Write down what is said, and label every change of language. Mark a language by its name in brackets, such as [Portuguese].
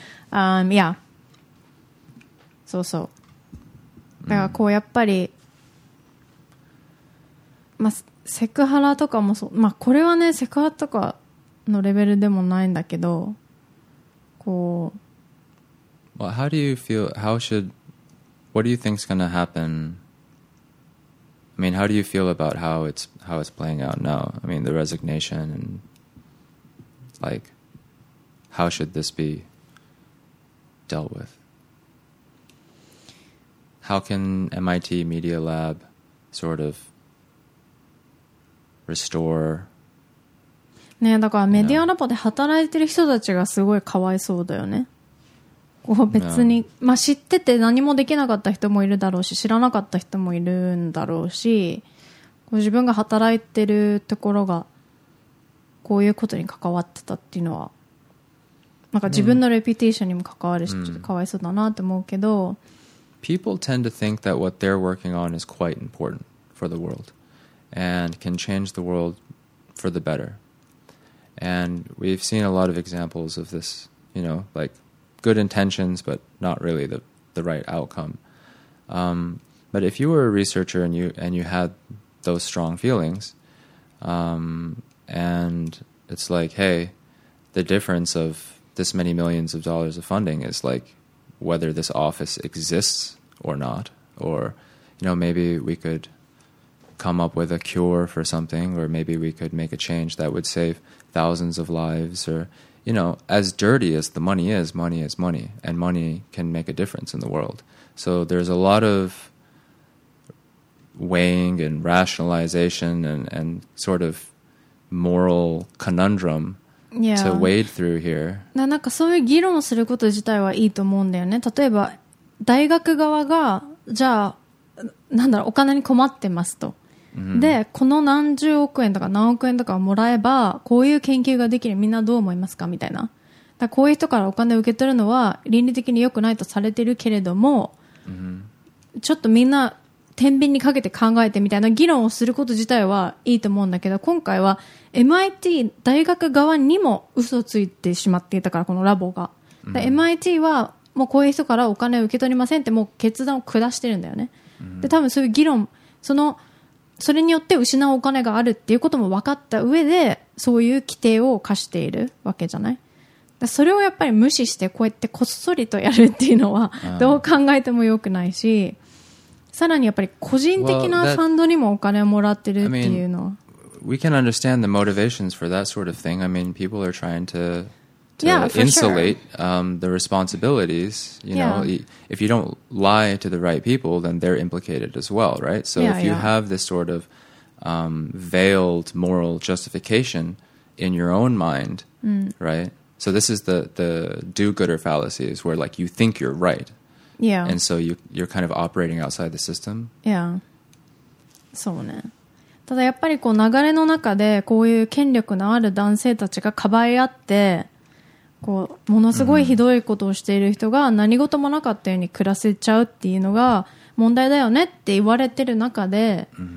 [English] yeah. [Japanese] そうそう。だからこうやっぱり、まあセクハラとかもそう、まあこれはね、セクハラとかのレベルでもないんだけど、こう。 [English] Well, how do you feel? How should? What do you think is going to happen? I mean, how do you feel about how it's playing out now? I mean, the resignation and like, how should this be dealt with? How can MIT Media Lab sort of restore? [Japanese] ね、だからメディアラボで働いてる人たちがすごいかわいそうだよね。こう別に、まあ、知ってて何もできなかった人もいるだろうし、知らなかった人もいるんだろうし、こう自分が働いてるところがこういうことに関わってたっていうのは、なんか自分のレピュテーションにも関わるし、ちょっとかわいそうだなって思うけど、 [English] People tend to think that what they're working on is quite important for the world and can change the world for the betterAnd we've seen a lot of examples of this, you know, like good intentions, but not really the right outcome. But if you were a researcher and you had those strong feelings, and it's like, hey, the difference of this many millions of dollars of funding is like whether this office exists or not, or, you know, maybe we could... come up with a cure for something, or maybe we could make a change that would save thousands of lives, or, you know, as dirty as the money is, money is money, and money can make a difference in the world. So there's a lot of weighing and rationalization and sort of moral conundrum、 yeah. to wade through here. [Japanese] なんかそういう議論をすること自体はいいと思うんだよね。例えば大学側がじゃあなんだろう、お金に困ってますと、でこの何十億円とか何億円とかをもらえばこういう研究ができる、みんなどう思いますかみたいな、だこういう人からお金を受け取るのは倫理的に良くないとされてるけれども、ちょっとみんな天秤にかけて考えてみたいな議論をすること自体はいいと思うんだけど、今回は MIT 大学側にも嘘をついてしまっていたから、このラボが、MIT はもうこういう人からお金を受け取りませんってもう決断を下してるんだよね。で多分そういう議論、それによって失うお金があるっていうことも分かった上でそういう規定を課しているわけじゃない。だそれをやっぱり無視してこうやってこっそりとやるっていうのはどう考えてもよくないし、さらにやっぱり個人的なファンドにもお金をもらってるっていうのは、 [English] well, that, I mean, we can understand the motivations for that sort of thing. I mean, people are trying to insulate、 sure. The responsibilities, you know,、 yeah. if you don't lie to the right people, then they're implicated as well, right? So yeah, if you、 yeah. have this sort of veiled moral justification in your own mind,、right? So this is the do-gooder fallacy, is where like you think you're right. Yeah. And so you're kind of operating outside the system. Yeah. [Japanese] そうね。ただやっぱりこう流れの中でこういう権力のある男性たちがかばい合ってこうものすごいひどいことをしている人が何事もなかったように暮らせちゃうっていうのが問題だよねって言われてる中で、